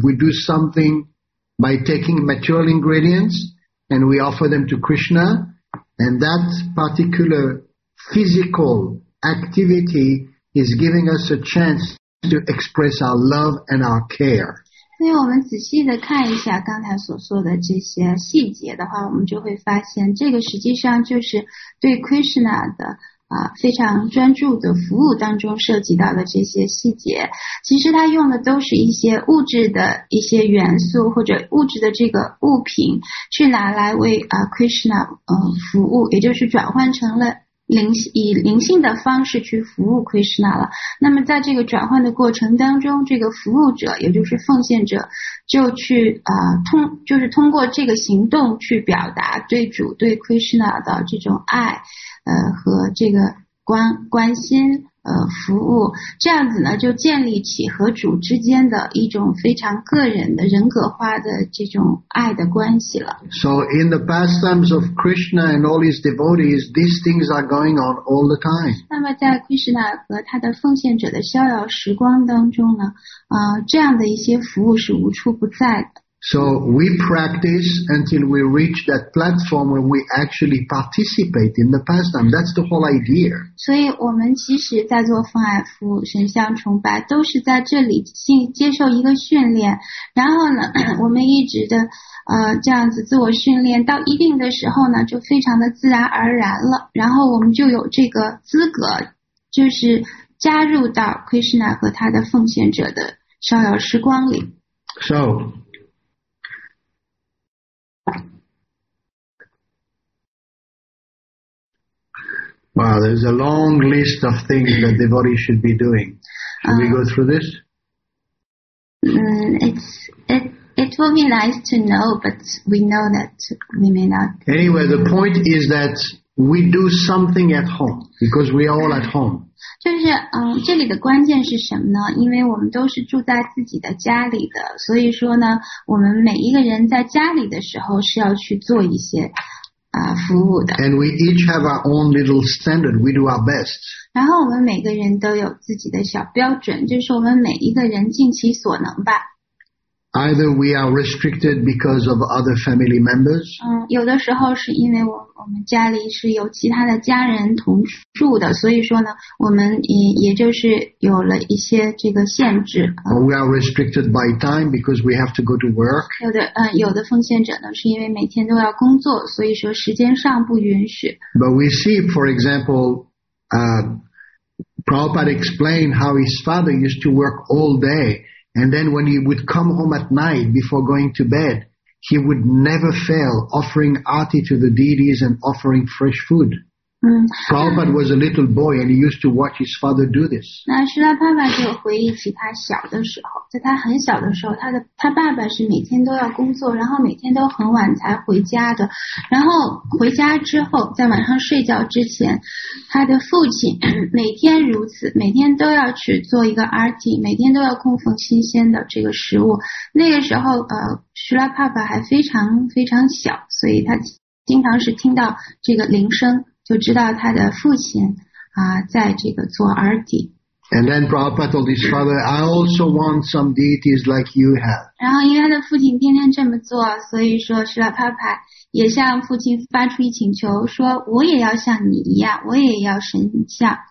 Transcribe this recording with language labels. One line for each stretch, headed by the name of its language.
English: We do something by taking material ingredients and we offer them to Krishna, and that particular physical activity is giving us a chance to express our love and our care.
Chinese: 所以我们仔细的看一下刚才所说的这些细节的话，我们就会发现这个实际上就是对 Krishna 的非常专注的服务当中涉及到的这些细节。其实他用的都是一些物质的一些元素或者物质的这个物品去拿来为Krishna 服务，也就是转换成了以灵性的方式去服务 Krishna 了。那么在这个转换的过程当中，这个服务者也就是奉献者就去就是通过这个行动去表达对主对 Krishna 的这种爱和这个关心服务，这样子呢就建立起和主之间的一种非常个人的人格化的这种爱的关系了。
English: So in the pastimes of Krishna and all his devotees, these things are going on all the time.
Chinese: 那么在 Krishna 和他的奉献者的逍遥时光当中呢这样的一些服务是无处不在的。
English: So we practice until we reach that platform where we actually participate in the pastime. That's the whole idea.
Chinese: 所以我们其实在做奉爱服务、神像崇拜，都是在这里接受一个训练。然后呢，我们一直的这样子自我训练，到一定的时候呢，就非常的自然而然了。然后我们就有这个资格，就是加入到 Krishna 和他的奉献者的逍遥时光里。
English: So wow, there's a long list of things that devotees should be doing. Should we go through this? It will be nice to know, but we know that we may not. Anyway, the point is that we do something at home, because we are all at home.
Chinese: 就是这里的关键是什么呢？因为我们都是住在自己的家里的，所以说呢，我们每一个人在家里的时候是要去做一些服务的。
English: And we each have our own little standard. We do our best.
Chinese: 然后我们每个人都有自己的小标准，就是我们每一个人尽其所能吧。
English: Either we are restricted because of other family members.
Chinese: 有的时候是因为我们家里是有其他的家人同住的，所以说呢，我们也就是有了一些这个限制。
English: We are restricted by time because we have to go to work.
Chinese: 有的奉献者呢，是因为每天都要工作，所以说时间上不允许。
English: But we see, for example, Prabhupada explained how his father used to work all day. And then when he would come home at night before going to bed, he would never fail offering aarti to the deities and offering fresh food. Prabhupada was a little boy and he used to watch his father do this.
Chinese: 那师大爸爸就回忆起他小的时候，在他很小的时候，他爸爸是每天都要工作，然后每天都很晚才回家的。然后回家之后，在晚上睡觉之前，他的父亲每天如此，每天都要去做一个 RT， 每天都要供奉新鲜的这个食物。那个时候，师大爸爸还非常非常小，所以他经常是听到这个铃声。就知道他的父亲在这个做儿底。
English: And then Prabhupada told his father, I also want some deities like you have.
Chinese: 然后因为他的父亲天天这么做，所以说是啦，帕帕也向父亲发出一请求，说我也要像你一样，我也要神像。